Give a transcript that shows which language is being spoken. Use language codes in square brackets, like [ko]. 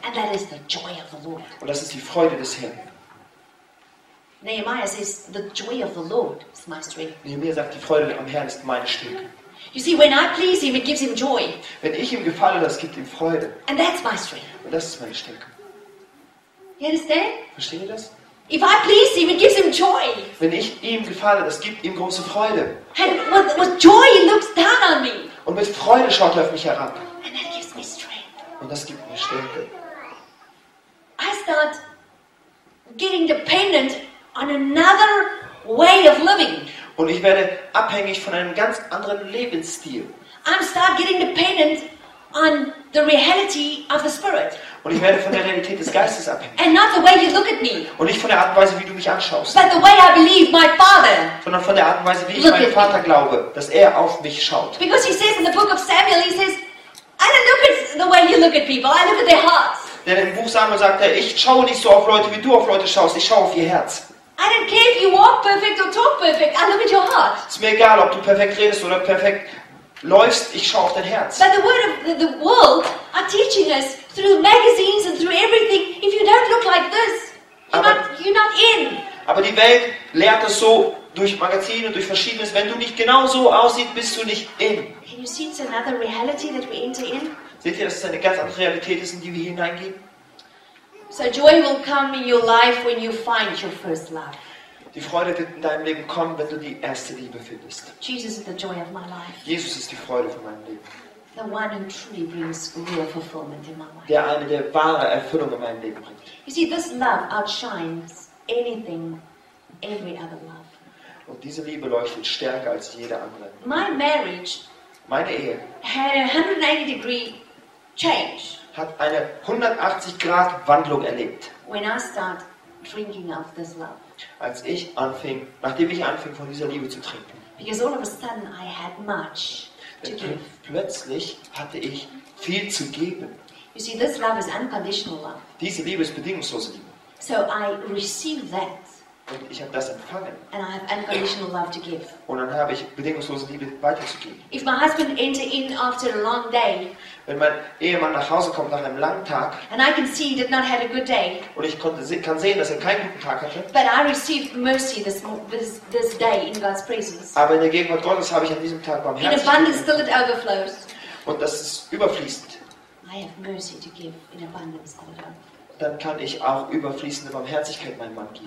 [en] And that is the joy of the Lord. [de] Und das ist die Freude des Herrn. [en] Nehemiah says, the joy of the Lord is my strength. [de] Nehemiah sagt, die Freude am Herrn ist meine Stärke. [en] You see, when I please him, it gives him joy. [de] Wenn ich ihm gefalle, das gibt ihm Freude. [en] And that's my strength. [de] Und das ist meine Stärke. [en] You understand? [de] Versteht ihr das? [en] If I please him, it gives him joy. [de] Wenn ich ihm gefalle, das gibt ihm große Freude. [en] And with joy, he looks down on me. [de] Und mit Freude schaut er auf mich herab. [en] And that gives me strength. [de] Und das gibt mir Stärke. [en] I start getting dependent on another way of living. [de] Und ich werde abhängig von einem ganz anderen Lebensstil. [en] I start getting dependent on the reality of the Spirit. [de] Und ich werde von der Realität des Geistes abhängig. [en] And not the way you look at me. [de] Und nicht von der Art und Weise, wie du mich anschaust. [en] But the way I believe my Father. [de] Sondern von der Art und Weise, wie ich meinen Vater glaube, dass er auf mich schaut. [en] Because he says in the book of Samuel, he says, I don't look at the way you look at people. I look at their hearts. [de] Denn im Buch Samuel sagt er, ich schaue nicht so auf Leute, wie du auf Leute schaust. Ich schaue auf ihr Herz. [en] I don't care if you walk perfect or talk perfect. I look at your heart. [de] Es ist mir egal, ob du perfekt redest oder perfekt läufst. Ich schaue auf dein Herz. [en] But the word of the world are teaching us through magazines and through everything. If you don't look like this, you're not in. [de] Aber die Welt lehrt es so durch Magazine und durch Verschiedenes. Wenn du nicht genau so aussiehst, bist du nicht in. [en] Can you see it's another reality that we enter in? [de] Seht ihr, dass es eine ganz andere Realität ist, in die wir hineingehen? [en] So joy will come in your life when you find your first love. [de] Die Freude wird in deinem Leben kommen, wenn du die erste Liebe findest. [en] Jesus is the joy of my life. [de] Jesus ist die Freude von meinem Leben. [en] The one who truly brings real fulfillment in my life. [de] Der eine, der wahre Erfüllung in meinem Leben bringt. [en] You see, this love outshines anything, every other love. [de] Und diese Liebe leuchtet stärker als jede andere. [en] My marriage. [de] Meine Ehe. [en] Had a 180 degree change. [de] Hat eine 180-Grad-Wandlung erlebt. [en] When I start drinking of this love. [de] Als ich anfing, nachdem ich anfing, von dieser Liebe zu trinken. [en] Because all of a sudden I had much to give. [de] Plötzlich hatte ich viel zu geben. [en] You see, this love is unconditional love. [de] Diese Liebe ist bedingungslose Liebe. [en] So I receive that. [de] Und ich habe das empfangen. [en] And I have unconditional love to give. [de] Und dann habe ich bedingungslose Liebe weiterzugeben. [en] If my husband enter in after a long day, [de] wenn mein Ehemann nach Hause kommt nach einem langen Tag, [en] and I can see he did not have a good day, [de] und ich kann sehen, dass er keinen guten Tag hatte, [en] but I received mercy this day in God's presence. [de] Aber in der Gegenwart Gottes habe ich an diesem Tag Barmherzigkeit. [en] In abundance still it overflows. [de] Und das ist überfließend. [en] I have mercy to give in abundance still it overflows. [de] Dann kann ich auch überfließende Barmherzigkeit meinem Mann geben.